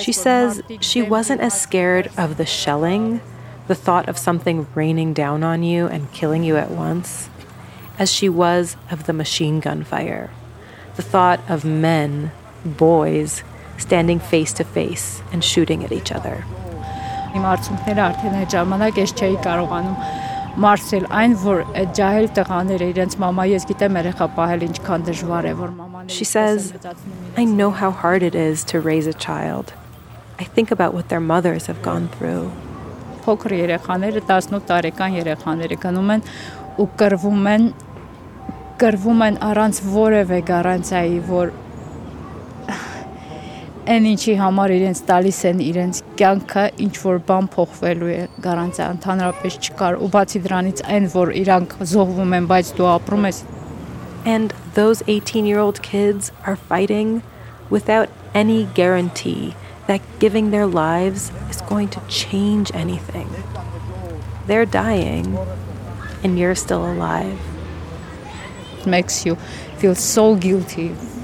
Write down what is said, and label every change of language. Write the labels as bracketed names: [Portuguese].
[English] She says she wasn't as scared of the shelling, the thought of something raining down on you and killing you at once, as she was of the machine gun fire. The thought of men, boys, standing face to face and shooting at each other. [Armenian] Իմ արցունքները արդեն այդ ժամանակ ես չէի կարողանում մարսել այն, որ այդ ջահել տղաները իրենց մամա, ես գիտեմ երեխա պահել ինչքան դժվար է, որ մաման [English] She says, I know how hard it is to raise a child. I think about what their mothers have gone through. [Armenian] Փոքր երեխաները, 18 տարեկան երեխաները գնում են ու կրվում են առանց որևէ գարանտիայի, որ այն ինչի համար իրենց տալիս են իրենց կյանքը, ինչ որ բան փոխվելու է, գարանտիա ընդհանրապես չկար, ու բացի դրանից այն, որ իրանք զոհվում են, բայց դու ապրում ես. [English] And those 18-year-old kids are fighting without any guarantee that giving their lives is going to change anything. They're dying, and you're still alive. It makes you feel so guilty.